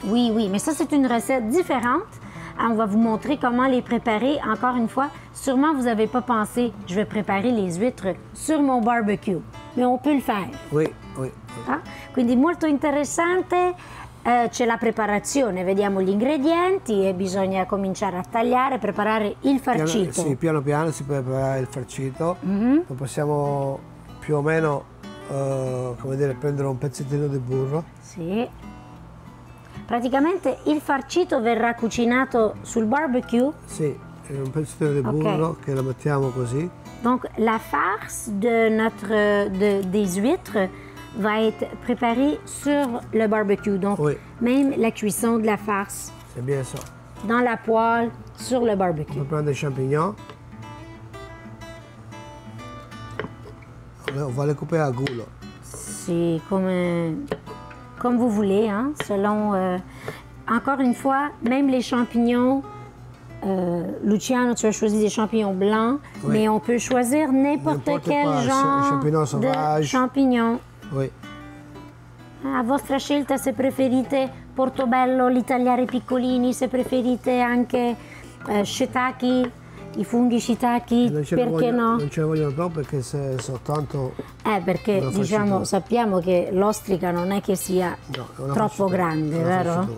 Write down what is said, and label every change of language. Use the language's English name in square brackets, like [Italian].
[French] Oui, mais ça, c'est une recette différente. On va vous montrer comment les préparer. Encore une fois, sûrement vous n'avez pas pensé, je vais préparer les huîtres sur mon barbecue. Mais on peut le faire. Oui. Ah? [Italian] Quindi molto interessante, c'è la preparazione. Vediamo gli ingredienti e bisogna cominciare a tagliare, preparare il farcito. Piano, sì, piano piano si prepara il farcito. Lo possiamo più o meno, come dire, prendere un pezzettino di burro. Sì. Praticamente il farcito verrà cucinato sul barbecue? Sì, è un pezzettino di burro che lo mettiamo così. [French] Donc la farce des huîtres va être préparée sur le barbecue. Donc même la cuisson de la farce. C'est bien ça. Dans la poêle sur le barbecue. On va prendre des champignons. On va les couper à goût. Là. C'est comme vous voulez, hein, selon... Encore une fois, même les champignons, Luciano, tu as choisi des champignons blancs, mais on peut choisir n'importe quel quoi, genre champignons sauvages. De champignons. Oui. [Italian] A vostra scelta, se preferite portobello, li tagliare piccolini, se preferite anche shiitake, i funghi shiitake, perché voglio, no? Non ce ne vogliono troppo, perché se soltanto... Perché diciamo, sappiamo che l'ostrica non è che sia troppo grande, vero?